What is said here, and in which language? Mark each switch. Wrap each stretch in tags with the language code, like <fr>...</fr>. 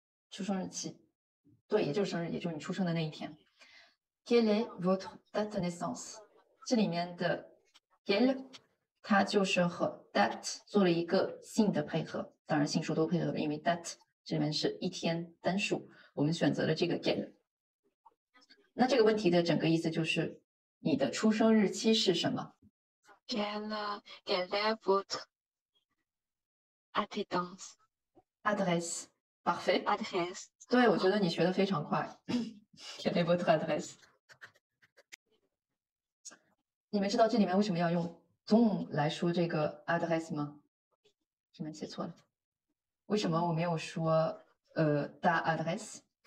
<zh>出生日期，对，也就是生日，也就是你出生的那一天。</zh> <fr>Quelle est votre date de naissance？</fr> <zh>这里面的 quelle， 它就是和 date 做了一个性的配合，当然性数都配合了，因为 date 这里面是一天单数，我们选择了这个 quelle。那这个问题的整个意思就是，你的出生日期是什么</zh> <fr>？Quelle est votre Adresse, parfait. Adresse.</fr> <zh>对，我觉得你学的非常快。</zh> <fr>Quelle est votre adresse？</fr> <zh>你们知道这里面为什么要用 don 来说这个 adresse 吗？这边写错了。为什么我没有说</zh> <fr>ta adresse？</fr>